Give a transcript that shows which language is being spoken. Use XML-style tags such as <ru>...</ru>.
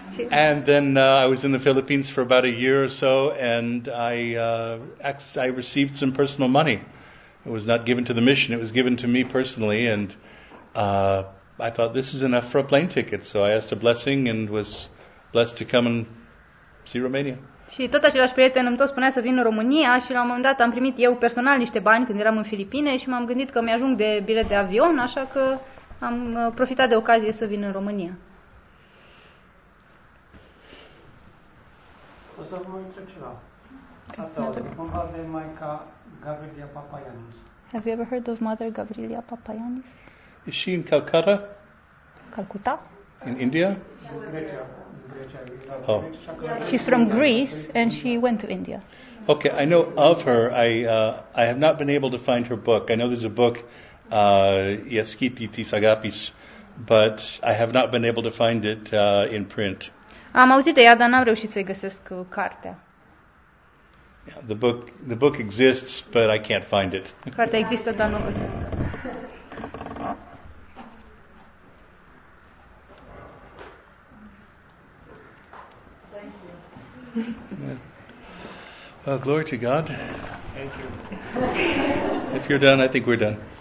<en>And then I was in the Philippines for about a year or so, and I received some personal money. It was not given to the mission, it was given to me personally, and I thought, this is enough for a plane ticket. So I asked a blessing and was blessed to come and see Romania.</en> <ro>Și tot același prieten îmi tot spunea să vin în România și la un moment dat am primit eu personal niște bani când eram în Filipine și m-am gândit că mi-ajung de bilet de avion, așa că am profitat de ocazie să vin în România. O să vă întreb ceva. Ați auzit cumva de Maica Gavrilia Papayanis?</ro> <en>Have you ever heard of Mother Gavrilia Papayanis? Is she in Calcutta? Calcutta? In India?</en> <ro>Grecia.</ro> <en>Oh. She's from Greece and she went to India. Okay, I know of her. I have not been able to find her book. I know there's a book, Yaskiti Tis Agapis, but I have not been able to find it in print.</en> <ro>Am auzit de ea, dar n-am reușit să-i găsesc cartea.</ro> <en>Yeah, the book exists, but I can't find it.</en> <ro>Cartea există, dar nu o găsesc.</ro> <en>Well, glory to God. Thank you. If you're done, I think we're done.</en>